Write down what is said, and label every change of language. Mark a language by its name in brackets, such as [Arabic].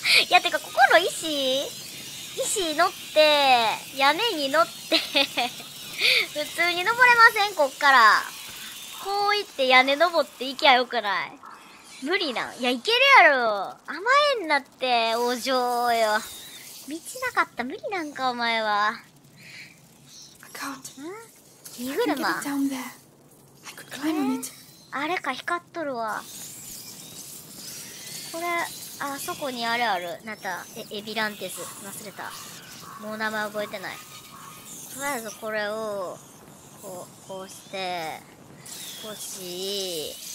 [Japanese] いや、てか、ここの石乗って、屋根に乗って、普通に登れません？こっから。こう行って屋根登って行きゃよくない？無理なん。いや、いけるやろ。甘えんなって、お嬢よ。道なかった、無理なんか、お前は。 [English] I can't. [Japanese] ん？荷車。 [English] I can get it down there. I could climb on it. [Japanese] あれか、光っとるわ。これ、あそこにあれある。なった。エビランテス。忘れた。もう名前覚えてない。とりあえずこれを、こうして、欲しい。